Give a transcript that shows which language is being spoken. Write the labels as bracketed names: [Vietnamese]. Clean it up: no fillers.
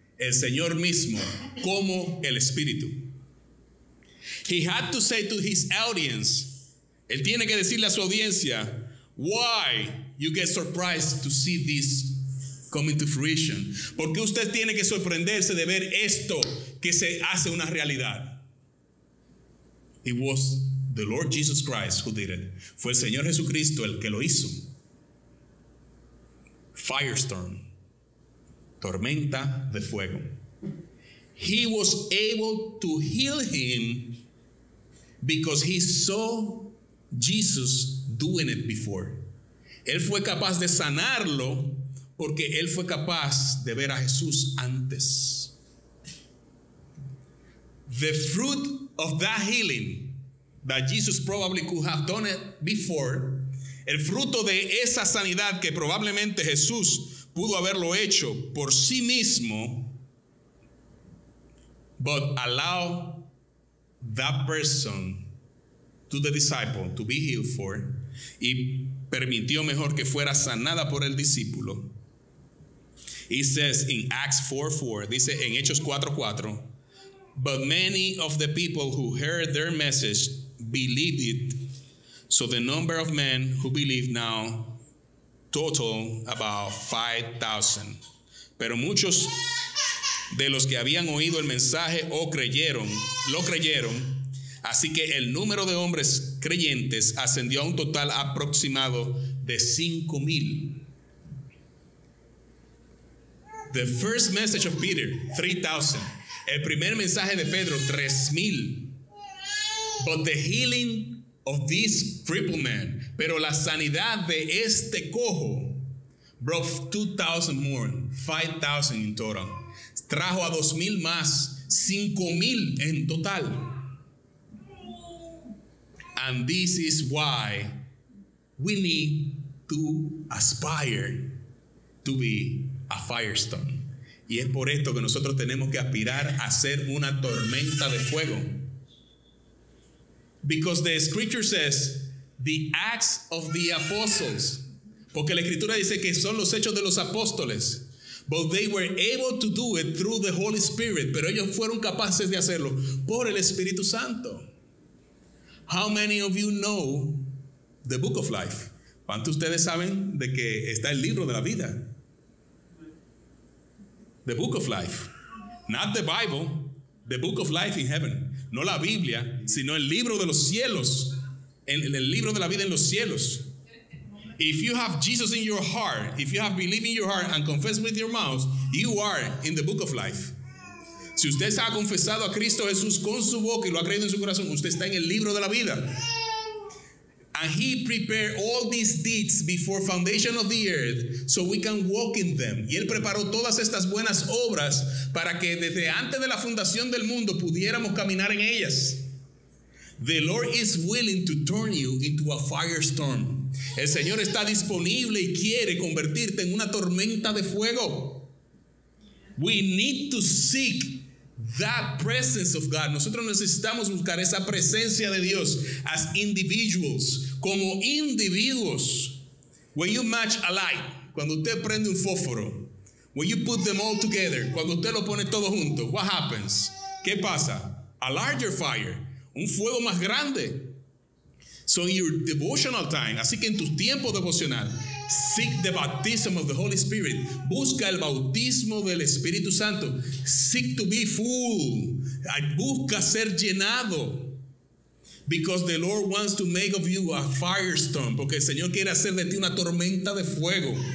[Spanish] El Señor mismo como el Espíritu. [English] He had to say to his audience, [Spanish] él tiene que decirle a su audiencia, [English] why you get surprised to see this coming to fruition? [Spanish] Porque usted tiene que sorprenderse de ver esto que se hace una realidad. [English] It was the Lord Jesus Christ who did it. [Spanish] Fue el Señor Jesucristo el que lo hizo. Firestorm. Tormenta de fuego. [English] He was able to heal him because he saw Jesus doing it before. [Spanish] Él fue capaz de sanarlo porque él fue capaz de ver a Jesús antes. [English] The fruit of that healing that Jesus probably could have done it before. [Spanish] El fruto de esa sanidad que probablemente Jesús pudo haberlo hecho por sí mismo, [English] but allow that person to the disciple to be healed for, [Spanish] y permitió mejor que fuera sanada por el discípulo. [English] He says in Acts 4:4, [Spanish] dice en Hechos 4:4, [English] but many of the people who heard their message believed it. So the number of men who believe now total about 5,000. [Spanish] Pero muchos de los que habían oído el mensaje o creyeron, lo creyeron. Así que el número de hombres creyentes ascendió a un total aproximado de 5,000. [English] The first message of Peter, 3,000. [Spanish] El primer mensaje de Pedro, 3,000. [English] But the healing of this crippled man, [Spanish] pero la sanidad de este cojo [English] brought 2,000 more, 5,000 in total. [Spanish] Trajo a 2,000 más, 5,000 en total. [English] And this is why we need to aspire to be a firestorm. [Spanish] Y es por esto que nosotros tenemos que aspirar a ser una tormenta de fuego. [English] Because the scripture says the acts of the apostles. [Spanish] Porque la escritura dice que son los hechos de los apóstoles. [English] But they were able to do it through the Holy Spirit. [Spanish] Pero ellos fueron capaces de hacerlo por el Espíritu Santo. [English] How many of you know the book of life? [Spanish] ¿Cuántos ustedes saben de que está el libro de la vida? [English] The book of life. Not the Bible. The book of life in heaven. [Spanish] No la Biblia, sino el libro de los cielos. El libro de la vida en los cielos. [English] If you have Jesus in your heart, if you have believed in your heart and confessed with your mouth, you are in the book of life. [Spanish] Si usted se ha confesado a Cristo Jesús con su boca y lo ha creído en su corazón, usted está en el libro de la vida. [English] And he prepared all these deeds before foundation of the earth so we can walk in them. [Spanish] Y él preparó todas estas buenas obras para que desde antes de la fundación del mundo pudiéramos caminar en ellas. [English] The Lord is willing to turn you into a firestorm. [Spanish] El Señor está disponible y quiere convertirte en una tormenta de fuego. [English] We need to seek that presence of God. [Spanish] Nosotros necesitamos buscar esa presencia de Dios [English] as individuals. [Spanish] Como individuos. [English] When you match a light, [Spanish] cuando usted prende un fósforo, [English] when you put them all together, [Spanish] cuando usted lo pone todo junto, [English] what happens? [Spanish] ¿Qué pasa? [English] A larger fire, [Spanish] un fuego más grande. [English] So in your devotional time, [Spanish] así que en tu tiempo devocional, [English] seek the baptism of the Holy Spirit. [Spanish] Busca el bautismo del Espíritu Santo. [English] Seek to be full. [Spanish] Busca ser llenado. [English] Because the Lord wants to make of you a firestorm. [Spanish] Porque el Señor quiere hacer de ti una tormenta de fuego.